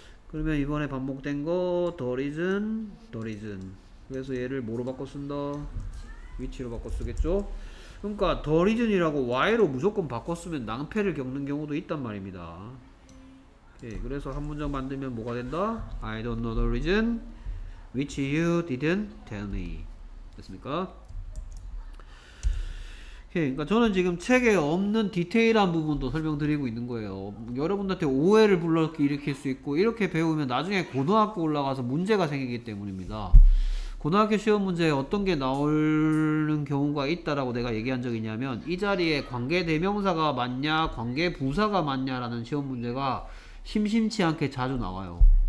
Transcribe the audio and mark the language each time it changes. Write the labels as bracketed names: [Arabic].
[Korean] 그러면 이번에 반복된 거 the reason 그래서 얘를 뭐로 바꿔 쓴다? 위치로 바꿔 쓰겠죠? 그러니까 the reason이라고 why로 무조건 바꿔 쓰면 낭패를 겪는 경우도 있단 말입니다. 오케이. 그래서 한 문장 만들면 뭐가 된다? [English] I don't know the reason which you didn't tell me. [Korean] 됐습니까? 그러니까 저는 지금 책에 없는 디테일한 부분도 설명드리고 있는 거예요. 여러분들한테 오해를 불러일으킬 수 있고 이렇게 배우면 나중에 고등학교 올라가서 문제가 생기기 때문입니다. 고등학교 시험 문제에 어떤 게 나오는 경우가 있다라고 내가 얘기한 적이 있냐면 이 자리에 관계 대명사가 맞냐 관계 부사가 맞냐라는 시험 문제가 심심치 않게 자주 나와요.